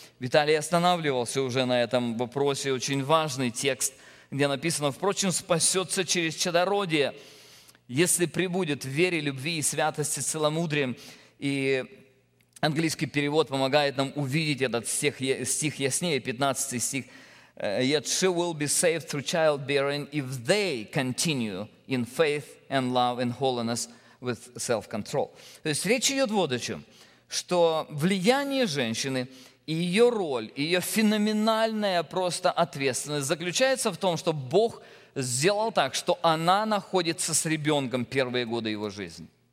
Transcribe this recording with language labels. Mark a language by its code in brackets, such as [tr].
[ru] Виталий останавливался уже на этом вопросе. Очень важный текст, где написано: «Впрочем, спасется через чадородие, если пребудет в вере, любви и святости целомудрием». И английский перевод помогает нам увидеть этот стих яснее, 15 стих. [en] «Yet she will be saved through childbearing if they continue in faith and love and holiness with self-control». [ru] То есть речь идет вот о чем, что влияние женщины и ее роль, и ее феноменальная просто ответственность заключается в том, что Бог сделал так, что она находится с ребенком первые годы его жизни.